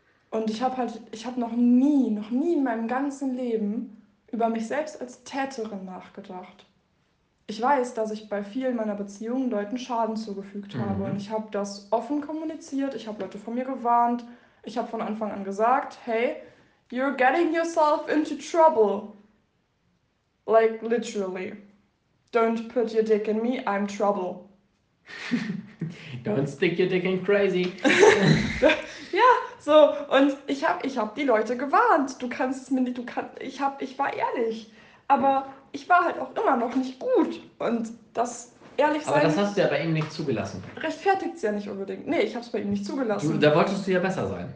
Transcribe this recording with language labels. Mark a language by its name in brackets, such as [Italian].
[German] Und ich habe noch nie in meinem ganzen Leben über mich selbst als Täterin nachgedacht. Ich weiß, dass ich bei vielen meiner Beziehungen Leuten Schaden zugefügt habe. Und ich habe das offen kommuniziert, ich habe Leute von mir gewarnt, ich habe von Anfang an gesagt, [English] hey, you're getting yourself into trouble. Like, literally. Don't put your dick in me, I'm trouble. Don't stick your dick in crazy. [German] Ja, so. Und ich hab die Leute gewarnt. Du kannst es mir nicht, ich war ehrlich. Aber ich war halt auch immer noch nicht gut. Und das ehrlich sein. Aber das hast du ja bei ihm nicht zugelassen. Rechtfertigt es ja nicht unbedingt. Nee, ich habe es bei ihm nicht zugelassen. Da wolltest du ja besser sein.